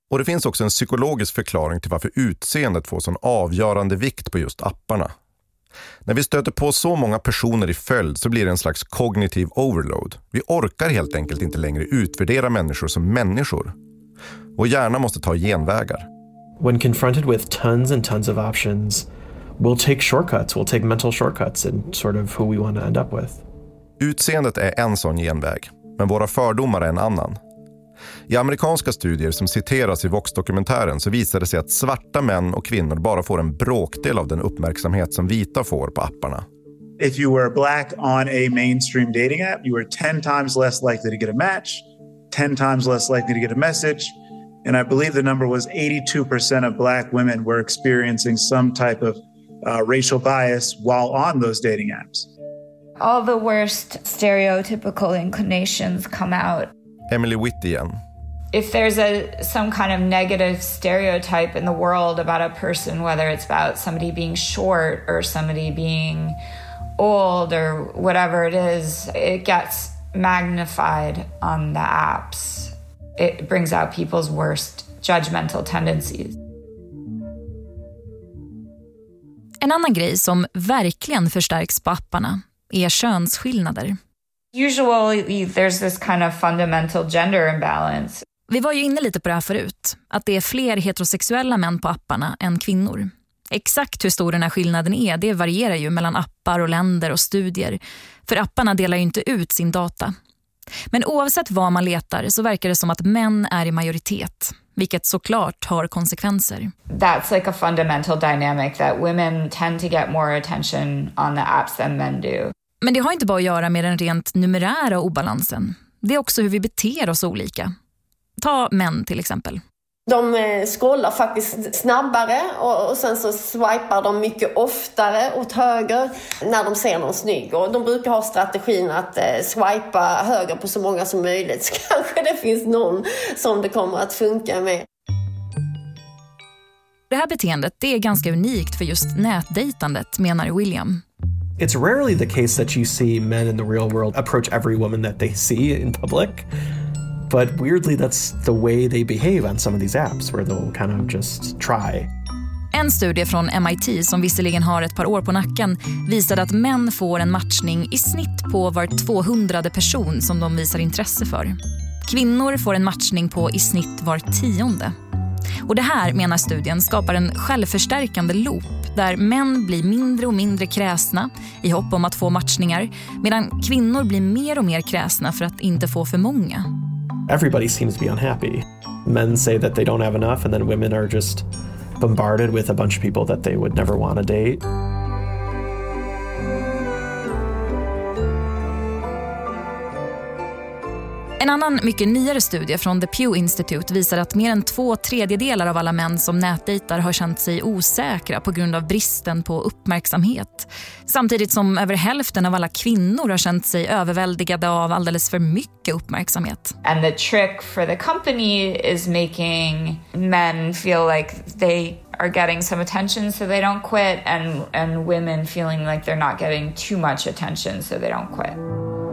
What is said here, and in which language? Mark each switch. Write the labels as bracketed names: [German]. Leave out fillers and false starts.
[Swedish] Och det finns också en psykologisk förklaring till varför utseendet får sån avgörande vikt på just apparna. När vi stöter på så många personer i följd så blir det en slags kognitiv overload. Vi orkar helt enkelt inte längre utvärdera människor som människor. Vår hjärna måste ta genvägar. [English] When confronted with tons and tons of options, we'll take shortcuts, we'll take mental shortcuts in sort of who we want to end up with. [Swedish] Utseendet är en sån genväg, men våra fördomar är en annan. I amerikanska studier som citeras i Vox-dokumentären så visade det sig att svarta män och kvinnor bara får en bråkdel av den uppmärksamhet som vita får på apparna. [English] If you were black on a mainstream dating app, you were 10 times less likely to get a match, 10 times less likely to get a message, and I believe the number was 82% of black women were experiencing some type of racial bias while on those dating apps. All the worst stereotypical inclinations come out. [Swedish] Emily Witt igen. [English] If there's some kind of negative stereotype in the world about a person, whether it's about somebody being short or somebody being old or whatever it is, it gets magnified on the apps. It brings out people's worst judgmental tendencies. [Swedish] En annan grej som verkligen förstärks på apparna är könsskillnader. [English] Usually there's this kind of fundamental gender imbalance. [Swedish] Vi var ju inne lite på det här förut, att det är fler heterosexuella män på apparna än kvinnor. Exakt hur stor den här skillnaden är, det varierar ju mellan appar och länder och studier. För apparna delar ju inte ut sin data. Men oavsett vad man letar så verkar det som att män är i majoritet, vilket såklart har konsekvenser. [English] That's like a fundamental dynamic that women tend to get more attention on the apps than men do. [Swedish] Men det har inte bara att göra med den rent numerära obalansen. Det är också hur vi beter oss olika. Ta män till exempel. De scrollar faktiskt snabbare och sen så swipar de mycket oftare åt höger när de ser någon snygg. Och de brukar ha strategin att swipa höger på så många som möjligt. Så kanske det finns någon som det kommer att funka med. Det här beteendet, det är ganska unikt för just nätdejtandet, menar William. [English] It's rarely the case that you see men in the real world approach every woman that they see in public. But weirdly, that's the way they behave on some of these apps, where they'll kind of just try. [Swedish] En studie från MIT, som visserligen har ett par år på nacken, visade att män får en matchning i snitt på var 200 person som de visar intresse för. Kvinnor får en matchning på i snitt var tionde. Och det här, menar studien, skapar en självförstärkande loop där män blir mindre och mindre kräsna i hopp om att få matchningar, medan kvinnor blir mer och mer kräsna för att inte få för många. [English] Everybody seems to be unhappy. Men say that they don't have enough and then women are just bombarded with a bunch of people that they would never want to date. [Swedish] En annan mycket nyare studie från The Pew Institute visar att mer än 2/3 av alla män som nätdejtar har känt sig osäkra på grund av bristen på uppmärksamhet. Samtidigt som över hälften av alla kvinnor har känt sig överväldigade av alldeles för mycket uppmärksamhet. [English] And the trick for the company is making men feel like they are getting some attention so they don't quit and women feeling like they're not getting too much attention so they don't quit.